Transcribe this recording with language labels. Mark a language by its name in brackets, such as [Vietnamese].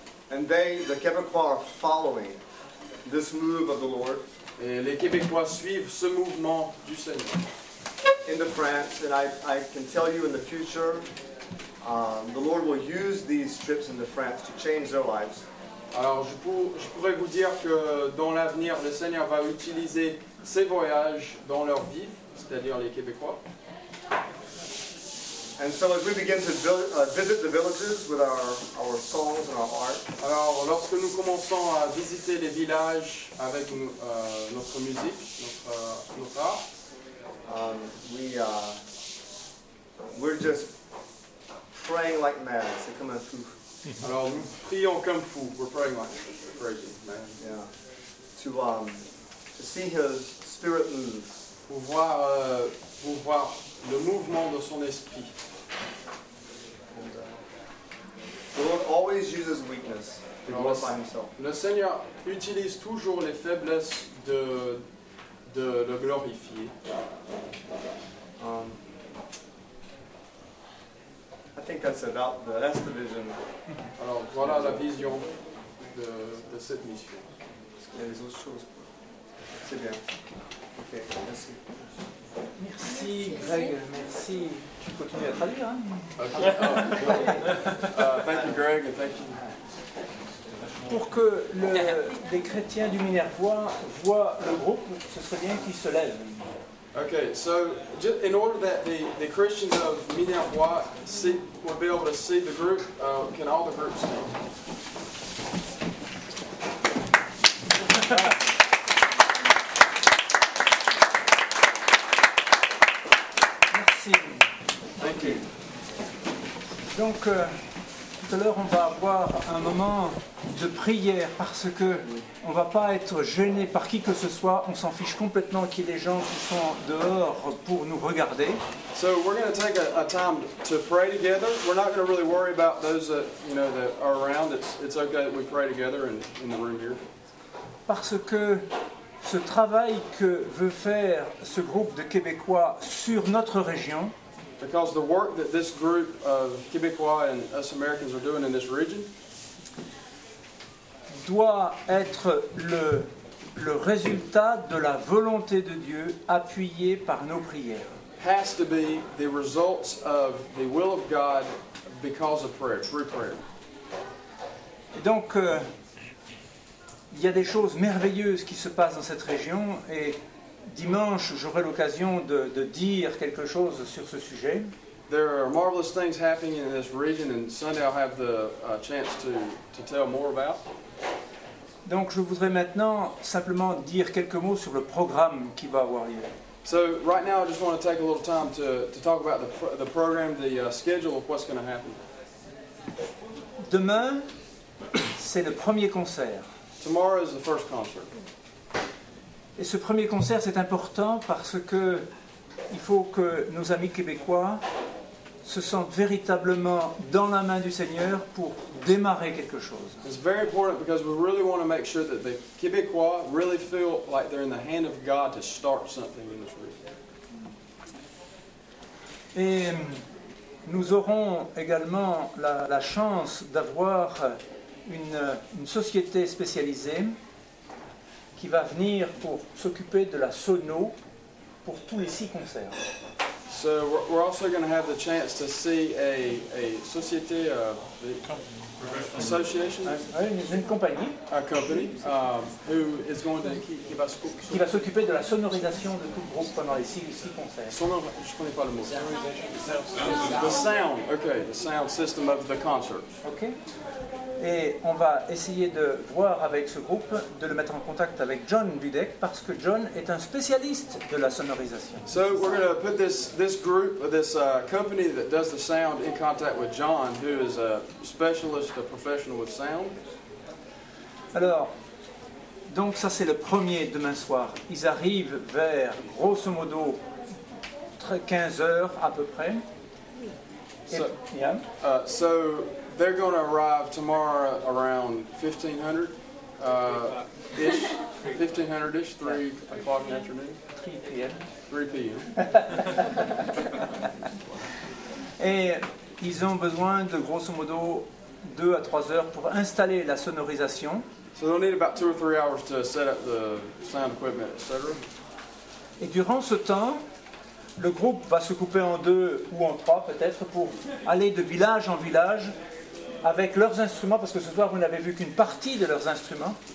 [English] And the Québécois are following this move of the Lord. [French] Et les Québécois suivent ce mouvement du Seigneur. [English] Into France, and I can tell you in the future. The Lord will use these trips into France to change their lives. [French] Alors, je pourrais vous dire que dans l'avenir, le Seigneur va utiliser ces voyages dans leur vie, c'est-à-dire les Québécois. [English] And so as we begin to visit the villages with our songs and our art, [French] alors lorsque nous commençons à visiter les villages avec notre musique, notre art, [English] we're just praying like mad. [French] C'est comme un fou. Alors nous prions comme fous. [English] We're praying like crazy, man. Yeah. To see His Spirit move. [French] Pour voir le mouvement de Son Esprit. [English] The Lord always uses weakness to glorify Himself. [French] Le Seigneur utilise toujours les faiblesses de le glorifier. [English] I think that's about that's the vision. [French] Alors voilà la vision de cette mission. Il y a des autres choses. C'est bien. Ok, merci. Merci Greg, merci. Tu continues à traduire, hein? [English] Okay. Thank you Greg, thank you. [French] Pour que les chrétiens du Minervois voient le groupe, ce serait bien qu'ils se lèvent. [English] Okay, so just in order that the Christians of Minervois see would be able to see the group, can all the groups stand? [French] Donc, tout à l'heure, on va avoir un moment de prière parce que on ne va pas être gêné par qui que ce soit. On s'en fiche complètement qu'il y ait des gens qui sont dehors pour nous regarder. [English] So we're going to take a time to pray together. We're not going to really worry about those that you know that are around. It's okay that we pray together in the room here. [French] Parce que ce travail que veut faire ce groupe de Québécois sur notre région. [English] Because the work that this group of Québécois and us Americans are doing in this region [French] doit être le résultat de la volonté de Dieu appuyée par nos prières. [English] Has to be the results of the will of God because of prayer, through prayer. [French] Et donc, il y a des choses merveilleuses qui se passent dans cette région et dimanche, j'aurai l'occasion de dire quelque chose sur ce sujet. [English] There are marvelous things happening in this region, and Sunday I'll have the chance to tell more about. [French] Donc, je voudrais maintenant simplement dire quelques mots sur le programme qui va avoir lieu. [English] So, right now, I just want to take a little time to talk about the program, the schedule of what's going to happen. [French] Demain, c'est le premier concert. [English] Tomorrow is the first concert. [French] Et ce premier concert, c'est important parce que il faut que nos amis québécois se sentent véritablement dans la main du Seigneur pour démarrer quelque chose. [English] It's very important because we really want to make sure that the Québécois really feel like they're in the hand of God to start something in this region. [French] Et nous aurons également la chance d'avoir une société spécialisée qui va venir pour s'occuper de la sono pour tous les 6 concerts. [English] So we're also going to have the chance to see a société, association, [French] une compagnie, [English] a company, who is going to keep us focused. [French] Qui va s'occuper de la sonorisation de tout le groupe pendant les 6 concerts. Sonorisation, je connais pas le mot. [English] The sound, okay, the sound system of the concert. Okay. [French] Et on va essayer de voir avec ce groupe, de le mettre en contact avec John Budek, parce que John est un spécialiste de la sonorisation. [English] So we're going to put this group, this company that does the sound in contact with John, who is a specialist, a professional with sound. [French] Alors, donc ça c'est le premier demain soir. Ils arrivent vers grosso modo 15h à peu près. [English] So they're going to arrive tomorrow around 1500-ish, 3 o'clock in the afternoon. 3 p.m. 3 p.m. [French] Et ils ont besoin de grosso modo 2 à 3 heures pour installer la sonorisation. [English] So they'll need about 2 or 3 hours to set up the sound equipment, etc. [French] Et durant ce temps, le groupe va se couper en deux ou en trois peut-être pour aller de village en village avec leurs instruments, parce que ce soir vous n'avez vu qu'une partie de leurs instruments.